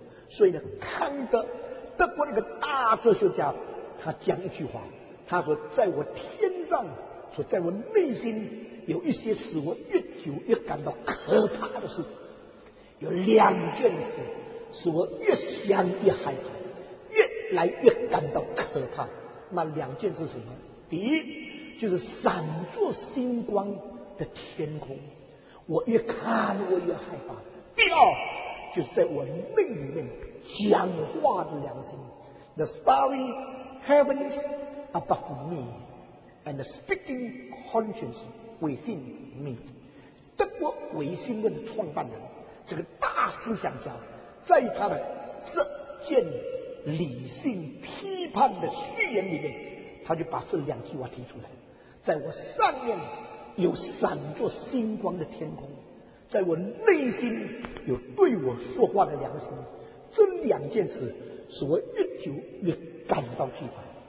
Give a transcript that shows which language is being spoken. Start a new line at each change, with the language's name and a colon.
Chinese: 所以呢，康德，德国那个大哲学家，他讲一句话，他说在我天上，说在我内心有一些使我越久越感到可怕的事，有两件事使我越想越害怕，越来越感到可怕。那两件事是什么？第一，就是闪烁星光的天空，我越看我越害怕。第二，就是在我内里面讲话的良心，
English: The starry heavens above me and the speaking conscience within me。
Chinese: 德国唯心论创办人，这个大思想家，在他的这件理性批判的序言里面，他就把这两句话提出来，在我上面有闪着星光的天空，在我内心有对我说话的良心，这两件事使我越久越感到惧怕。